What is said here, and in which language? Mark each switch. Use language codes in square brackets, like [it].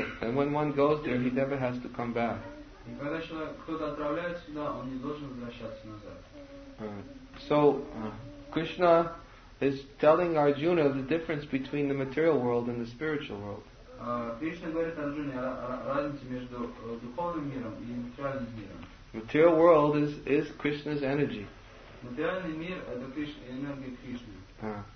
[en] And when one goes there, he never has to come back. [ru] И когда кто-то отправляет сюда, он не должен возвращаться назад. [en] Krishna is telling Arjuna the difference between the material world and the spiritual world. [ru] Krishna говорит Арджуне о разнице между духовным миром и материальным миром. [en] Material world is Krishna's energy. [ru] Материальный мир это энергия Кришны.